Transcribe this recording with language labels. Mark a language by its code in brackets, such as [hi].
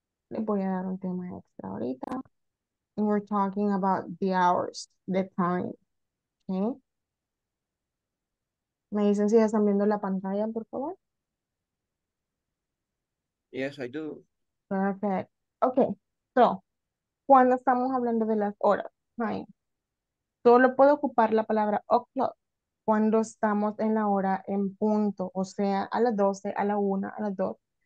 [es] Le voy a dar un tema extra ahorita. [en] And we're talking about the hours, the time. Okay. [es] ¿Me dicen si ya están viendo la pantalla, por favor? [en] Yes, I do. Perfect. [es] Ok, so, cuando estamos hablando de las horas, time, solo puedo ocupar la palabra o'clock cuando estamos en la hora en punto, o sea, a las 12, a la 1, a las 2.